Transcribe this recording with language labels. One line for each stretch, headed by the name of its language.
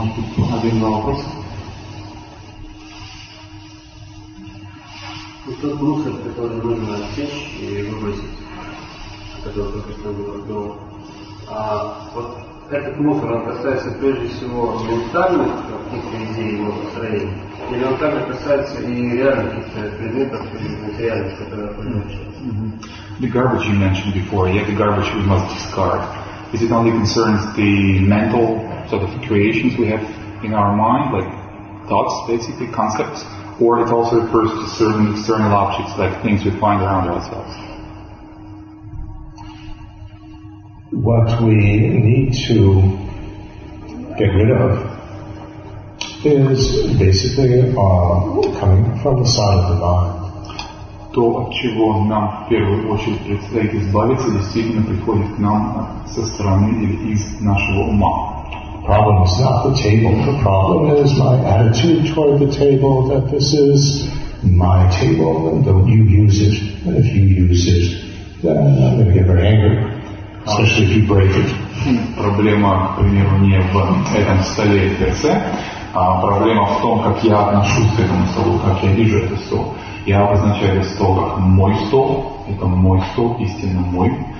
Russian: Этот мусор, он касается прежде всего ментальных каких-то идей его построения, или он также касается и реальных предметов, материальных, которые находятся?
English: The garbage you mentioned before, yeah, the garbage we must discard. Is it only concerns the mental sort of creations we have in our mind, like thoughts, basically concepts, or it also refers to certain external objects, like things we find around ourselves? What we need to get rid of is basically coming from the side of the mind.
Russian: То, от чего нам в первую очередь предстоит избавиться, действительно приходит к нам со стороны или из нашего ума.
English: Problem is not the table. The problem is my attitude toward the table, that this is my table, and don't you use it. And if you use it, then I'm going to get very angry. Especially if you break it.
Russian: Проблема, к примеру, не в этом столе и перце, а проблема в том, как я отношусь к этому столу, как я вижу этот стол. Я обозначаю стол как мой стол, это мой стол, истинно мой.